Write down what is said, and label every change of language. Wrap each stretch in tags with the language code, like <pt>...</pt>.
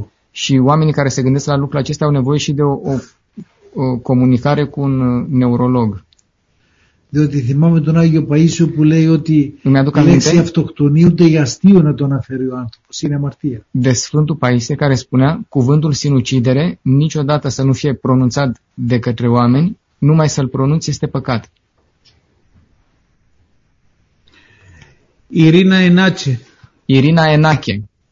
<ro>Și oamenii care se gândesc la lucrul acesta au nevoie și de o comunicare cu un neurolog.</ro> <el>Διότι θυμάμαι τον Άγιο Παΐσιο που λέει ότι η λέξη αυτοκτονία ούτε για αστείο να το αναφέρει ο άνθρωπος, είναι αμαρτία.</el> <ro>De Sfântul Paisie care spunea, cuvântul sinucidere niciodată să nu fie pronunțat de către oameni, numai să-l pronunți este păcat. Irina Enache. Irina Enache.</ro>